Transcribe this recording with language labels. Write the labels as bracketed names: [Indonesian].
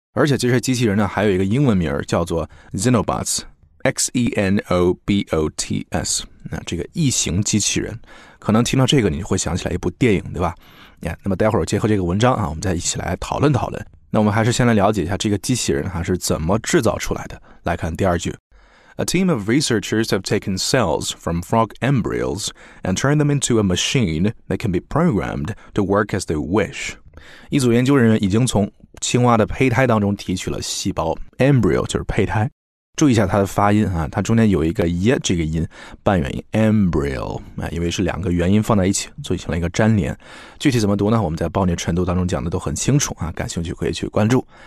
[Chinese] 而且这些机器人呢还有一个英文名叫做 Xenobots,X-E-N-O-B-O-T-S, 那这个异形机器人。可能听到这个你就会想起来一部电影，对吧？Yeah, 那么待会儿结合这个文章啊，我们再一起来讨论讨论。那我们还是先来了解一下这个机器人它是怎么制造出来的。来看第二句。 [English] A team of researchers have taken cells from frog embryos and turned them into a machine that can be programmed to work as they wish. [Chinese] 一组研究人员已经从青蛙的胚胎当中提取了细胞。 Embryo 就是胚胎。注意一下它的发音啊，它中间有一个 ye 这个音半元音 embryo, 因为是两个元音放在一起做成了一个粘连。具体怎么读呢，我们在暴虐晨读当中讲的都很清楚啊，感兴趣可以去关注。